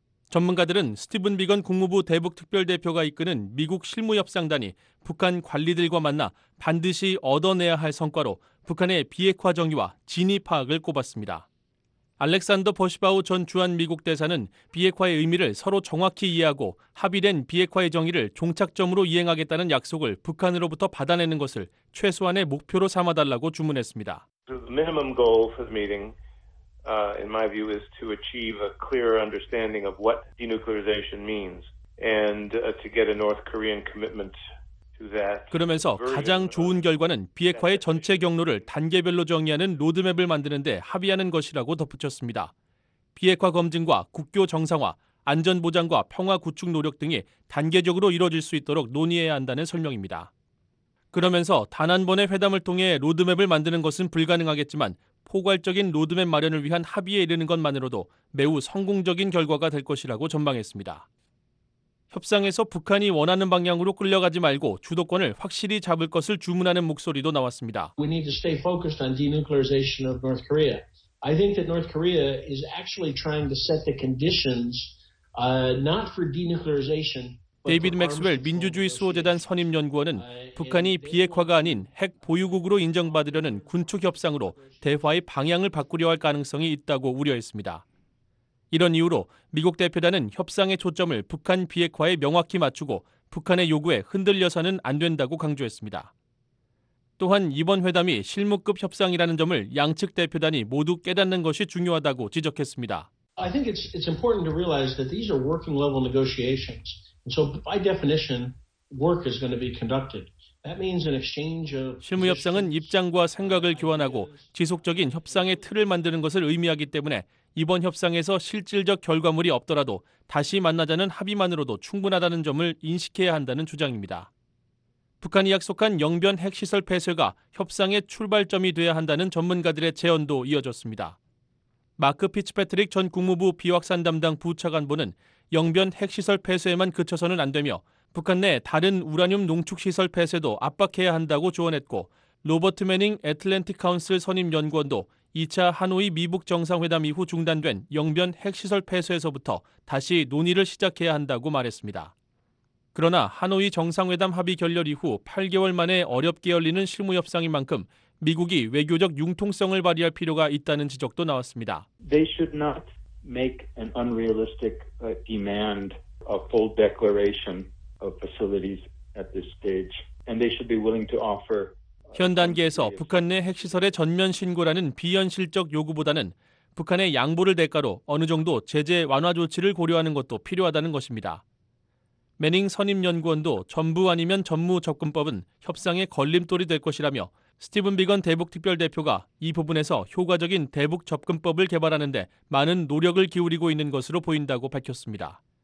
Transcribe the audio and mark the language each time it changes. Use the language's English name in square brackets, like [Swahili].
[Korean] 전문가들은 스티븐 비건 국무부 대북특별대표가 이끄는 미국 실무협상단이 북한 관리들과 만나 반드시 얻어내야 할 성과로 북한의 비핵화 정의와 진위 파악을 꼽았습니다. 알렉산더 버시바우 전 주한미국 대사는 비핵화의 의미를 서로 정확히 이해하고 합의된 비핵화의 정의를 종착점으로 이행하겠다는 약속을 북한으로부터 받아내는 것을 최소한의 목표로 삼아달라고 주문했습니다. [English] The minimum goal for the meeting, in my view, is to achieve a clear understanding of what denuclearization means and to get a North Korean commitment. [Korean] 그러면서 가장 좋은 결과는 비핵화의 전체 경로를 단계별로 정의하는 로드맵을 만드는 데 합의하는 것이라고 덧붙였습니다. 비핵화 검증과 국교 정상화, 안전보장과 평화 구축 노력 등이 단계적으로 이루어질 수 있도록 논의해야 한다는 설명입니다. 그러면서 단 한 번의 회담을 통해 로드맵을 만드는 것은 불가능하겠지만 포괄적인 로드맵 마련을 위한 합의에 이르는 것만으로도 매우 성공적인 결과가 될 것이라고 전망했습니다. 협상에서 북한이 원하는 방향으로 끌려가지 말고 주도권을 확실히 잡을 것을 주문하는 목소리도 나왔습니다. [English] We need to stay focused on denuclearization of North Korea. I think that North Korea is actually trying to set the conditions not for denuclearization. [Korean] 데이비드 맥스웰 민주주의 수호재단 선임연구원은 북한이 비핵화가 아닌 핵 보유국으로 인정받으려는 군축 협상으로 대화의 방향을 바꾸려 할 가능성이 있다고 우려했습니다. 이런 이유로 미국 대표단은 협상의 초점을 북한 비핵화에 명확히 맞추고 북한의 요구에 흔들려서는 안 된다고 강조했습니다. 또한 이번 회담이 실무급 협상이라는 점을 양측 대표단이 모두 깨닫는 것이 중요하다고 지적했습니다. [English] I think it's important to realize that these are working level negotiations. So by definition, work is going to be conducted. That means an exchange of [Korean] 실무 협상은 입장과 생각을 교환하고 지속적인 협상의 틀을 만드는 것을 의미하기 때문에 이번 협상에서 실질적 결과물이 없더라도 다시 만나자는 합의만으로도 충분하다는 점을 인식해야 한다는 주장입니다. 북한이 약속한 영변 핵시설 폐쇄가 협상의 출발점이 돼야 한다는 전문가들의 제언도 이어졌습니다. 마크 피츠패트릭 전 국무부 비확산 담당 부차관보는 영변 핵시설 폐쇄에만 그쳐서는 안 되며 북한 내 다른 우라늄 농축시설 폐쇄도 압박해야 한다고 조언했고 로버트 매닝 애틀랜틱 카운슬 선임연구원도 2차 하노이 미북 정상회담 이후 중단된 영변 핵시설 폐쇄에서부터 다시 논의를 시작해야 한다고 말했습니다. 그러나 하노이 정상회담 합의 결렬 이후 8개월 만에 어렵게 열리는 실무협상인 만큼 미국이 외교적 융통성을 발휘할 필요가 있다는 지적도 나왔습니다. [English] They should not make an unrealistic demand a full declaration of facilities at this stage. And they should be willing to offer [Korean] 현 단계에서 북한 내 핵시설의 전면 신고라는 비현실적 요구보다는 북한의 양보를 대가로 어느 정도 제재 완화 조치를 고려하는 것도 필요하다는 것입니다. 매닝 선임연구원도 전부 아니면 전무 접근법은 협상의 걸림돌이 될 것이라며 스티븐 비건 대북특별대표가 이 부분에서 효과적인 대북 접근법을 개발하는 데 많은 노력을 기울이고 있는 것으로 보인다고 밝혔습니다.